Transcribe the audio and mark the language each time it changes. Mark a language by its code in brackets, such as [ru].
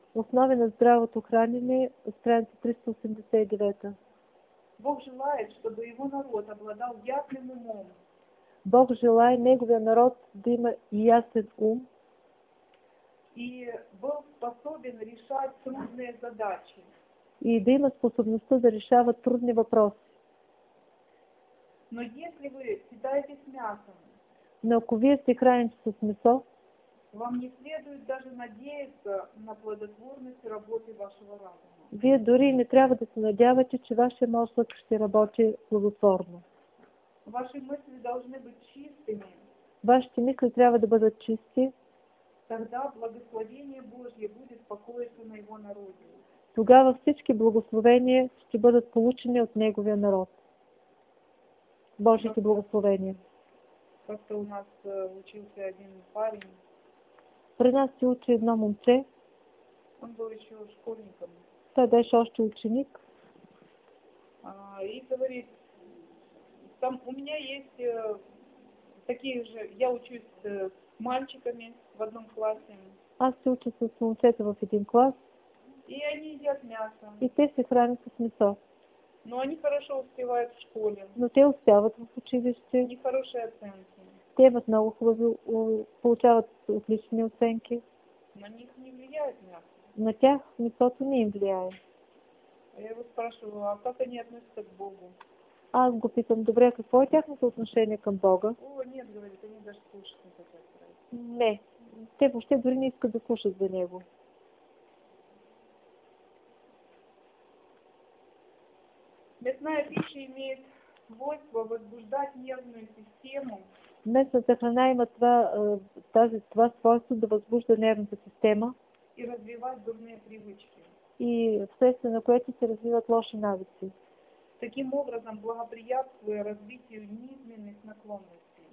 [bg] Основа на здравото хранение страница 389. [ru] Бог желает, чтобы его народ обладал ясным умом. [bg] Бог желает неговия народ да има ясен ум. [ru] И был способен решать трудные задачи. [bg] и да има способността да решава трудни въпроси. [ru] Но если вы питаетесь мясом, [bg] но ако вие се храните с месо, [ru] вам не следует даже надеяться на плодотворность работы вашего разума. [bg] Вие дори не трябва да се надявате, че вашия мозък ще работи плодотворно. [ru] Ваши мысли должны быть чистыми. [bg] Вашите мисли трябва да бъдат чисти. [ru] Тогда благословение Божье будет покоиться на его народе. [bg] Тогава всички благословения ще бъдат получени от неговия народ. Божите благословения. [ru] Как-то у нас учился один парень. [bg] При нас се учи едно момче. [ru] Он был еще школьником. [bg] Той беше още ученик. [ru] И говорит, там у меня есть такие же, я учусь с мальчиками в одном классе. [bg] Аз се уча с момчета в един клас. [ru] И они едят мясо. [bg] И те се хранят с месо. [ru] Но они хорошо успевают в школе. [bg] Но те успяват в училище. [ru] И хорошие оценки. [bg] Те имат много хубави, получават отлични оценки. [ru] На них не влияет мясо. [bg] На тях месото не им влияе. [ru] Я его спрашиваю, а как они относятся к Богу? [bg] Аз го питам, добре, какво е тяхното отношение към Бога? [ru] О, нет, говорит, они даже кушат не хотят. [bg] Не, те въобще дори не искат да кушат за Него. [ru] Мясная пища имеет свойство возбуждать нервную систему. [bg] Местната храна има това свойство да възбужда нервната система. [ru] И развивать дурные привычки. [bg] И вследствие на което се развиват лоши навици. [ru] Таким образом благоприятствуя развитию низменных наклонностей.